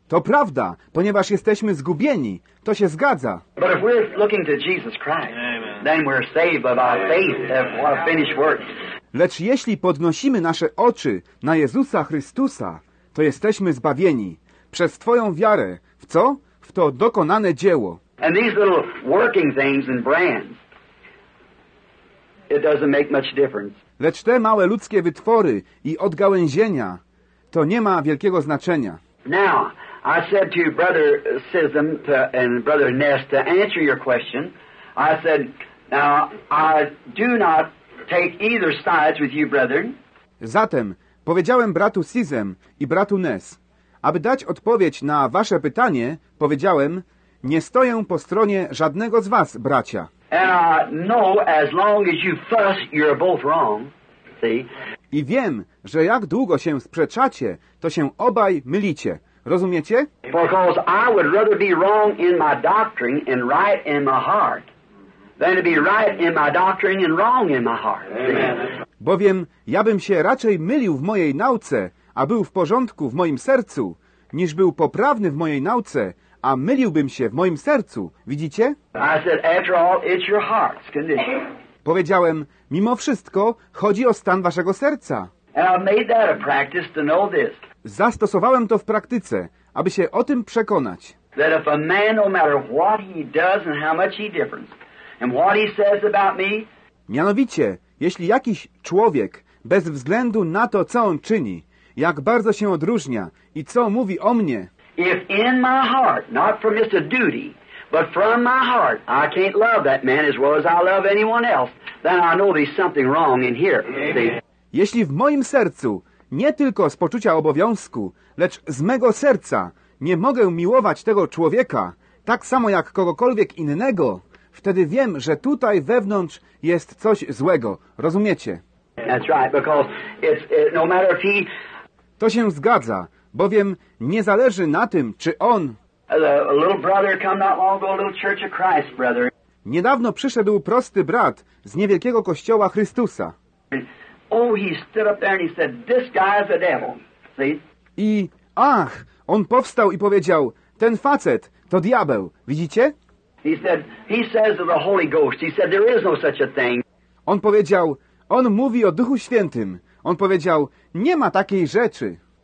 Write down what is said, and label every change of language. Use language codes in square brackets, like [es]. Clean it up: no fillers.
[pl] To prawda, ponieważ jesteśmy zgubieni. To się zgadza. [en] But if we're looking to Jesus Christ, then we're saved by our faith of what a finished work. [pl] Lecz jeśli podnosimy nasze oczy na Jezusa Chrystusa, to jesteśmy zbawieni przez Twoją wiarę. W co? W to dokonane dzieło. [en] And these little working things and brands, it doesn't make much difference. [pl] Lecz te małe ludzkie wytwory i odgałęzienia, to nie ma wielkiego znaczenia. [en] Now, I said to Brother Sism and Brother Ness to answer your question. I said, now I do not take either sides with you, brethren. [pl] Zatem powiedziałem bratu Sism i bratu Ness, aby dać odpowiedź na wasze pytanie, powiedziałem, nie stoję po stronie żadnego z was, bracia. [en] And I know as long as you fuss, you're both wrong. See? [pl] I wiem, że jak długo się sprzeczacie, to się obaj mylicie. Rozumiecie? [en] Because I would rather be wrong in my doctrine and right in my heart than to be right in my doctrine and wrong in my heart. Amen. [pl] Bowiem ja bym się raczej mylił w mojej nauce, a był w porządku w moim sercu, niż był poprawny w mojej nauce, a myliłbym się w moim sercu. Widzicie? [en] I said, after all, it's your heart's condition. [pl] Powiedziałem, mimo wszystko chodzi o stan waszego serca. [en] And I made that a practice to know this. [pl] Zastosowałem to w praktyce, aby się o tym przekonać. [en] That if a man, no matter what he does and how much he differs, and what he says about me. [pl] Mianowicie, jeśli jakiś człowiek, bez względu na to, co on czyni, jak bardzo się odróżnia i co mówi o mnie. [en] If in my heart, not from just a duty, but from my heart, I can't love that man as well as I love anyone else, then I know there's something wrong in here. See? [pl] Jeśli w moim sercu, nie tylko z poczucia obowiązku, lecz z mego serca, nie mogę miłować tego człowieka, tak samo jak kogokolwiek innego, wtedy wiem, że tutaj wewnątrz jest coś złego. Rozumiecie? [en] That's right, because no matter if he... [pl] To się zgadza, bowiem nie zależy na tym, czy on... [en] A little brother come not long ago, a little Church of Christ, brother. [pl] Niedawno przyszedł prosty brat z niewielkiego Kościoła Chrystusa. [en] Oh, he stood up there and he said, this guy's a devil. See? [pl] I ach, on powstał i powiedział, ten facet to diabeł. Widzicie? [en] He said, he says of the Holy Ghost. He said, there is no such a thing. [pl] On powiedział, on mówi o Duchu Świętym. On powiedział, nie ma takiej rzeczy.